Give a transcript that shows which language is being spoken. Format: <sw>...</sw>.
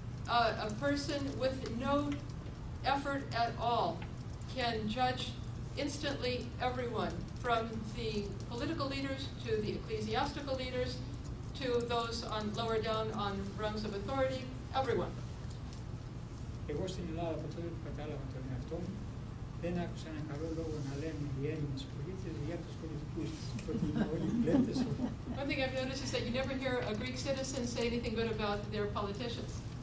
<en>A person with no effort at all can judge instantly everyone, from the political leaders to the ecclesiastical leaders to those on lower down on rungs of authority, everyone.</en> <el>Εγώ στην Ελλάδα από τότε που κατάλαβα τον εαυτό μου, δεν άκουσα ένα καλό λόγο να λένε οι Έλληνες πολίτες για τους πολιτικούς τους, ότι είναι όλοι πλέτες.</el> <en>One thing I've noticed is that you never hear a Greek citizen say anything good about their politicians.</en>